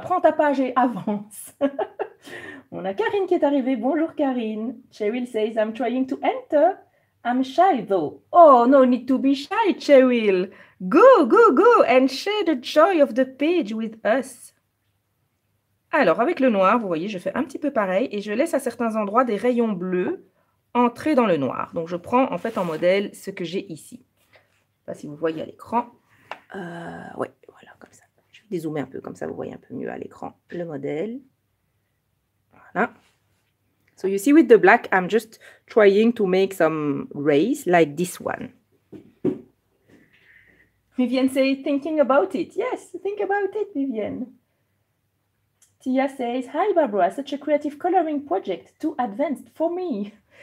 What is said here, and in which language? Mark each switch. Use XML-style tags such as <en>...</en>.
<fr>Prends ta page et avance. On a Karine qui est arrivée. Bonjour,</fr> <en>Karine. Cheryl says, I'm trying to enter. I'm shy, though. Oh, no need to be shy, Cheryl. Go, go, go, and share the joy of the page with us.</en> <fr>Alors, avec le noir, vous voyez, je fais un petit peu pareil et je laisse à certains endroits des rayons bleus entrer dans le noir. Donc, je prends en fait en modèle ce que j'ai ici. Pas si vous voyez à l'écran. Oui, voilà, comme ça. Je vais dézoomer un peu, comme ça vous voyez un peu mieux à l'écran le modèle. Voilà.</fr> <en>So you see with the black, I'm just trying to make some rays like this one. Vivienne says, thinking about it. Yes, think about it, Vivienne. Tia says, hi Barbara, such a creative coloring project, too advanced for me.</en>